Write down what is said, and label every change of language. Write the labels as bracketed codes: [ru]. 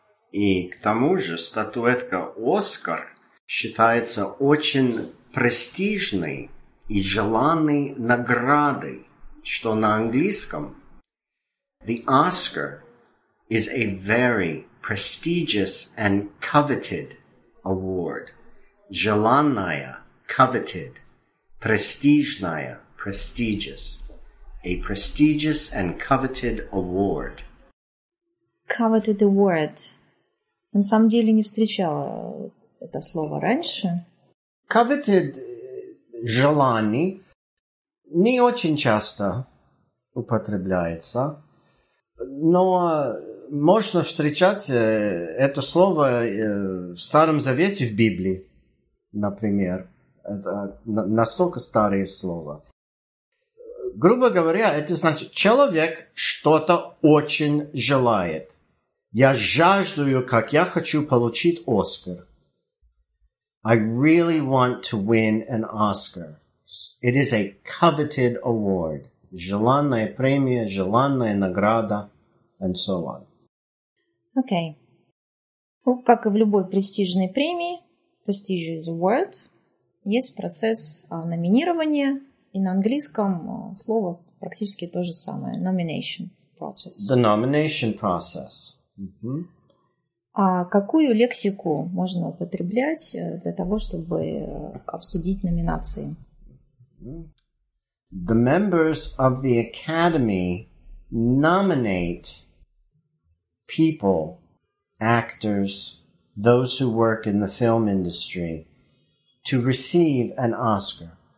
[ru] И к тому же статуэтка «Оскар» считается очень престижной и желанной наградой, что на английском [en] «The Oscar is a very prestigious and coveted award». [ru] Желанная, coveted, престижная, prestigious. [en] A prestigious and coveted award. Coveted award. [ru] На самом деле не встречала это слово раньше. Coveted, желанный, не очень часто употребляется, но можно встречать это слово в Старом Завете, в Библии, например. Это настолько старое слово. Грубо говоря, это значит, человек что-то очень желает. Я жаждую, как я хочу получить Оскар. [en] I really want to win an Oscar. It is a coveted award. [ru] Желанная премия, желанная награда, [en] and so on. Okay. [ru] Ну, как и в любой престижной премии, [en] prestigious award, [ru] есть процесс номинирования, и на английском слово практически то же самое. [en] Nomination process. The nomination process. Mm-hmm. [ru] А какую лексику можно употреблять для того, чтобы обсудить номинации? [en] The members of the Academy nominate people, actors, those who work in the film industry, to receive an Oscar.